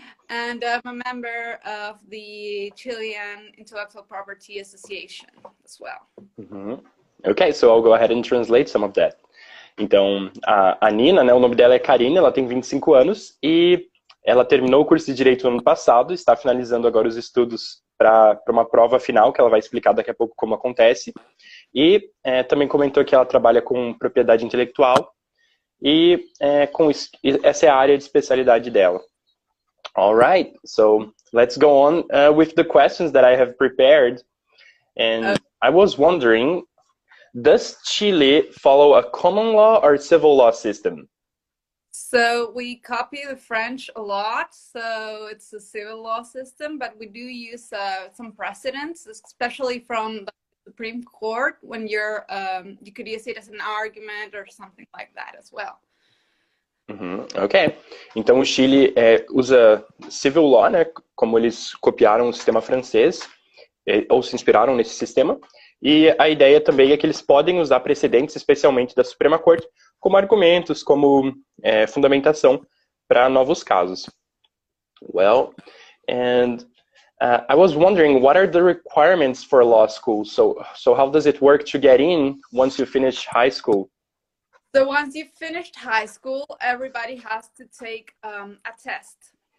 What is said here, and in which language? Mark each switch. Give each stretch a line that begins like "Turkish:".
English: And I'm a member of the Chilean Intellectual Property Association as well. Mm-hmm. Okay, so I'll go ahead and translate some of that.
Portuguese: Então, a Nina, né, o nome dela é Karina, ela tem 25 anos e ela terminou o curso de Direito no ano passado, está finalizando agora os estudos para uma prova final, que ela vai explicar daqui a pouco como acontece. E também comentou que ela trabalha com propriedade intelectual e com essa é a área de especialidade dela.
English: All right, so let's go on with the questions that I have prepared. And I was wondering, does Chile follow a common law or civil law system? So we copy the French a lot, so it's a civil law system, but we do use some precedents, especially from the Supreme Court, when you're you could use it as an argument or something like that as well. Uhum.
Portuguese: Ok, então o Chile usa civil law, né, como eles copiaram o sistema francês, ou se inspiraram nesse sistema, e a ideia também é que eles podem usar precedentes, especialmente da Suprema Corte, como argumentos, como fundamentação para novos casos.
English: Well, and I was wondering, what are the requirements for law school? So how does it work to get in once you finish high school? So once you've finished high school, everybody has to take a test.